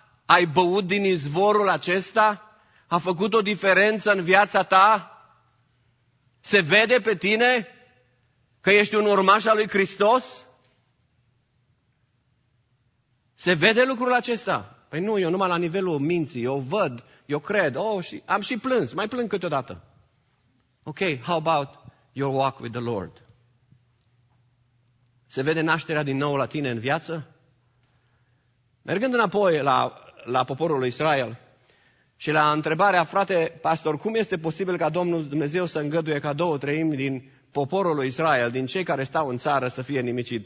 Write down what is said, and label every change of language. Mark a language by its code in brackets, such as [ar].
[ro] Ai băut din izvorul acesta? A făcut o diferență în viața ta? Se vede pe tine că ești un urmaș al lui Hristos? Se vede lucrul acesta? Păi nu, eu numai la nivelul minții, eu văd, eu cred, oh, și am și plâns, mai plâng câteodată. [en] Ok, how about your walk with the Lord? [ro] Se vede nașterea din nou la tine în viață? Mergând înapoi la poporul lui Israel, și la întrebarea, frate pastor, cum este posibil ca Domnul Dumnezeu să îngăduie ca două treimi din poporul lui Israel, din cei care stau în țară, să fie nimicit?